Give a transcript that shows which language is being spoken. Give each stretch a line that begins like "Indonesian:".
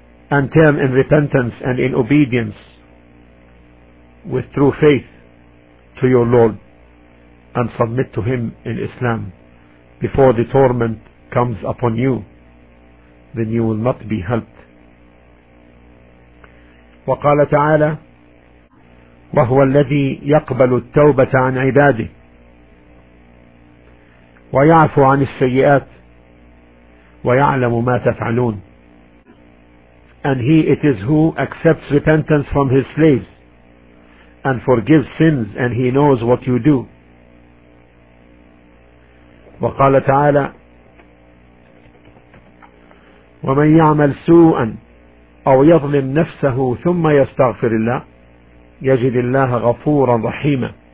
English: And turn in repentance and in obedience with true faith to your Lord, and submit to Him in Islam before the torment comes upon you, then you will not be helped.
Arabic: وقال تعالى وهو الذي يقبل التوبة عن عباده ويعفو عن السيئات ويعلم ما تفعلون.
English: And He it is who accepts repentance from His slaves and forgives sins, and He knows what you do.
Arabic: وقال تعالى ومن يعمل سوءا أو يظلم نفسه ثم يستغفر الله يجد الله غفورا رحيما.